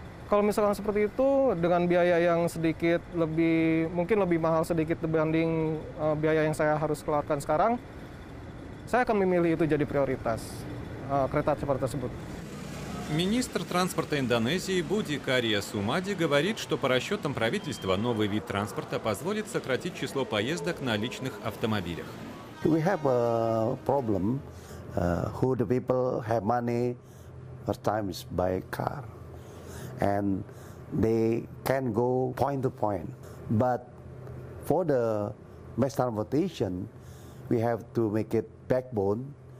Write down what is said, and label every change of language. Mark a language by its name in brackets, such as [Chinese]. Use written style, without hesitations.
[Indonesian] Kalau misalkan seperti itu dengan biaya yang sedikit lebih mungkin lebih mahal sedikit dibanding biaya yang saya harus keluarkan sekarang, saya akan memilih itu jadi prioritas kereta cepat tersebut. [Russian] Министр транспорта Индонезии Буди Кария Сумади говорит, что по расчетам правительства новый вид транспорта позволит сократить число поездок на личных автомобилях. [English] We have a problem. Who the people have money, first time is buy car. And they can go point to point. But for the mass transportation, we have to make it backbone.